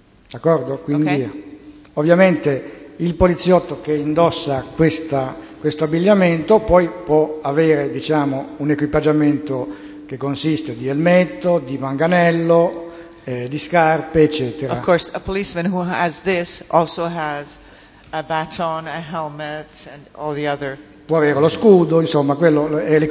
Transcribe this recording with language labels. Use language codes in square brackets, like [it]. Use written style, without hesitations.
[it] D'accordo? Quindi, [en] okay. [it] Ovviamente, il poliziotto che indossa questo abbigliamento poi può avere, diciamo, un equipaggiamento che consiste di elmetto, di manganello, di scarpe, eccetera. [en] Of course, a policeman who has this also has a baton, a helmet, and all the other. [it] Può avere lo scudo, insomma, quello è l'equipaggio.